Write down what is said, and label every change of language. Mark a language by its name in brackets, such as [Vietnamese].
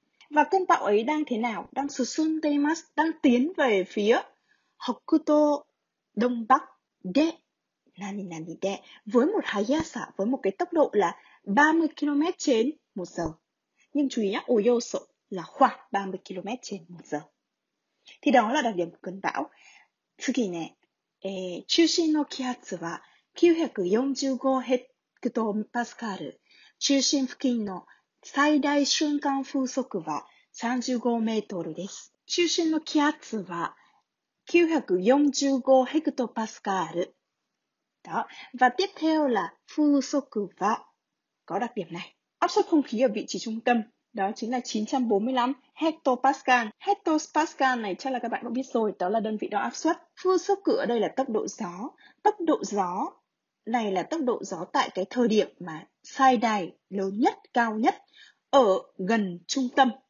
[Vietnamese] Và cơn bão ấy đang thế nào? Đang susun deimasu, đang tiến về phía Hokuto Đông Bắc de, nani nani de, với một hayasa, với một cái tốc độ là 30 km/h. Nhưng chú ý nhé, oyoso là khoảng 30 km/h. Thì đó là đặc điểm của cơn bão. [Japanese] 次ね、中心の気圧は945ヘクトパスカル、中心付近の最大瞬間風速は35メートルです。中心の気圧は945ヘクトパスカル。だ。 [Vietnamese] và tiếp theo là 風速は có đặc điểm này. Áp suất không khí ở vị trí trung tâm đó chính là 945 ヘクトパスカル。ヘクトパスカル này chắc là các bạn cũng biết rồi, đó là đơn vị đo áp suất. 風速 ở đây là tốc độ gió. Tốc độ gió này là tốc độ gió tại cái thời điểm mà sai đài lớn nhất, cao nhất ở gần trung tâm.